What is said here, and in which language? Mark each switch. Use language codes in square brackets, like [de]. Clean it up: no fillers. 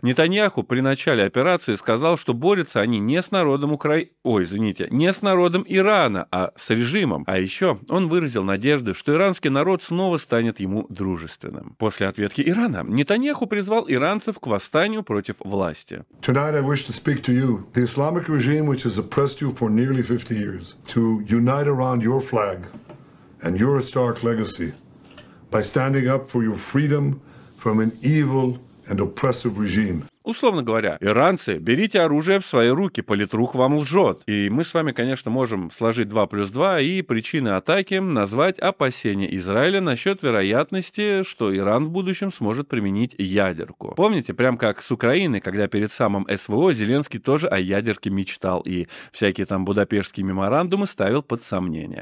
[ru] Нетаньяху при начале операции сказал, что борются они не с народом Ирана, а с режимом. А еще он выразил надежды, что иранский народ снова станет ему дружественным. После ответки Ирана Нетаньяху призвал иранцев к восстанию против власти. Сегодня я хочу поговорить с вами, исламистами. [en] Regime which has oppressed you for nearly 50 years to unite around your flag and your historic legacy by standing up for your freedom from an evil and oppressive regime. [ru] Условно говоря, иранцы, берите оружие в свои руки, политрук вам лжет. И мы с вами, конечно, можем сложить 2 плюс 2 и причины атаки назвать опасения Израиля насчет вероятности, что Иран в будущем сможет применить ядерку. Помните, прям как с Украины, когда перед самым СВО Зеленский тоже о ядерке мечтал и всякие там Будапештские меморандумы ставил под сомнение.